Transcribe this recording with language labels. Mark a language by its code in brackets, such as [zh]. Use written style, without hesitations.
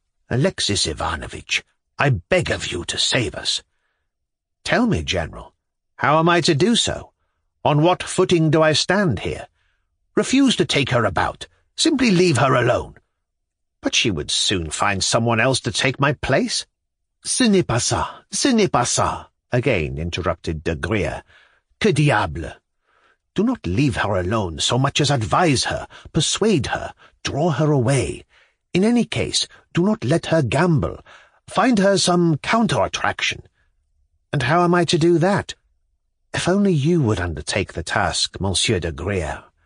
[en] "Alexis Ivanovich, I beg of you to save us." "Tell me, General, how am I to do so? On what footing do I stand here? Refuse to take her about. Simply leave her alone." "But she would soon find someone else to take my place." [fr] "Ce n'est pas ça, ce n'est pas ça," [en] again interrupted de Gruyere. [fr] "Que diable! [en] Do not leave her alone so much as advise her, persuade her, draw her away. In any case, do not let her gamble. Find her some counter-attraction." "And how am I to do that?" "If only you would undertake the task, Monsieur de Gruyere."